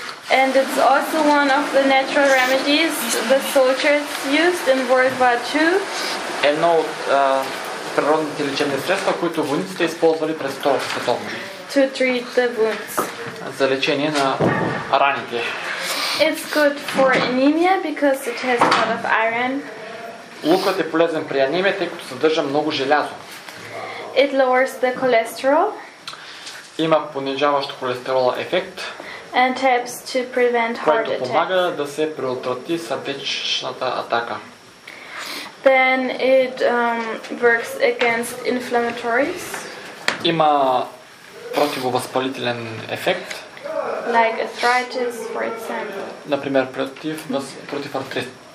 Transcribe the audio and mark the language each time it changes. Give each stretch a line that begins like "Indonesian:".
English: And it's also one of the natural remedies the soldiers used in World War II.
Bulgarian: Едно от природните лечебни средства, които войниците използвали през Втората световна.
English: To treat the wounds.
Bulgarian: За лечение на раните.
English: It's good for anemia because it has a lot of iron.
Bulgarian: Лукът е полезен при анемия, тъй като съдържа много желязо.
English: It lowers the cholesterol.
Bulgarian: Има понижаващ холестерола ефект.
English: And helps to prevent heart attacks.
Bulgarian: Което помага да се предотврати сърдечната атака.
English: Then it works against inflammatories.
Bulgarian: Има противовъзпалителен ефект.
English: Like arthritis, for example.
Bulgarian: Например, против артрит.